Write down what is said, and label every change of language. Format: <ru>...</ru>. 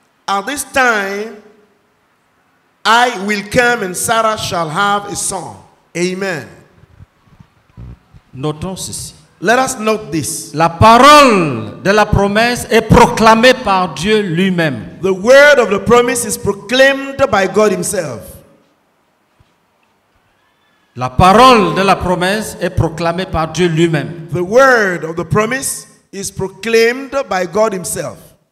<en>At this time, I will come and Sarah shall have a son. Amen.</en> <fr>Notons ceci.</fr> <en>Let us note this.</en> <fr>La parole de la promesse est proclamée par Dieu lui-même.</fr> <en>The word of the promise is proclaimed by God himself.</en> <fr>La parole de la promesse est proclamée par Dieu lui-même.</fr> <en>The word of the promise is proclaimed by God himself.</en>